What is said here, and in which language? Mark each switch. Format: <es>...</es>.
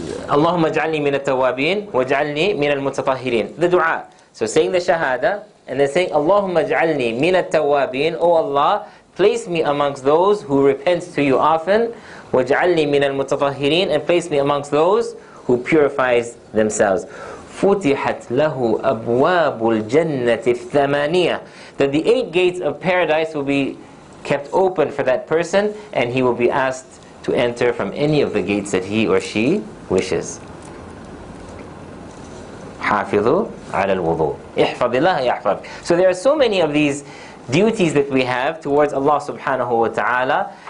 <ar>اللهم اجعلني من التوابين واجعلني من المتطهرين.</ar> <en>The dua. So saying the shahada, and then saying,</en> <ar>اللهم اجعلني من التوابين.</ar> <en>Oh Allah, place me amongst those who repent to you often.</en> <ar>واجعلني من المتطهرين,</ar> <en>and place me amongst those who purifies themselves.</en> <ar>فتحت له أبواب الجنة الثمانية.</ar> <en>That the 8 gates of paradise will be kept open for that person, and he will be asked to enter from any of the gates that he or she wishes.</en> <ar>حافظوا على الوضوء. احفظ الله يحفظ.</ar> <en>So there are so many of these duties that we have towards Allah subhanahu wa ta'ala.</en>